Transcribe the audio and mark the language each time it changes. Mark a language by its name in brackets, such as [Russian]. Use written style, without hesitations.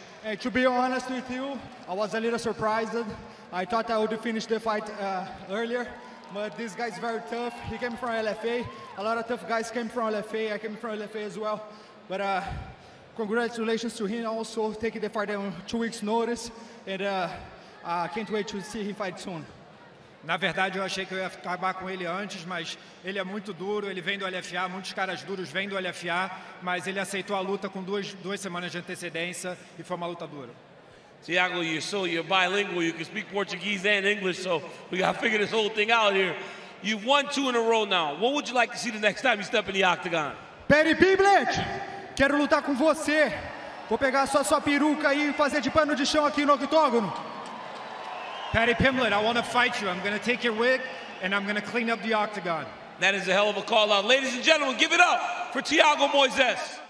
[English] And to be honest with you, I was a little surprised. I thought I would finish the fight earlier. But this guy's very tough. He came from LFA. A lot of tough guys came from LFA. I came from LFA as well. But congratulations to him also, taking the fight on 2 weeks' notice. And I can't wait to see him fight soon. [Portuguese] Na verdade, eu achei que eu ia acabar com ele antes, mas ele é muito duro. Ele vem do LFA. Muitos caras duros vêm do LFA. Mas ele aceitou a luta com duas semanas de antecedência e foi uma luta dura. [English] Thiago, you're bilingual. You can speak Portuguese and English, so we got to figure this whole thing out here. You've won 2 in a row now. What would you like to see the next time you step in the Octagon? [Portuguese] Perry Piblet, quero lutar com você. Vou pegar só sua peruca aí e fazer de pano de chão aqui no octógono. [English] Perry Piblet, I want to fight you. I'm going to take your wig and I'm going to clean up the Octagon. That is a hell of a call out. Ladies and gentlemen, give it up for Thiago Moises.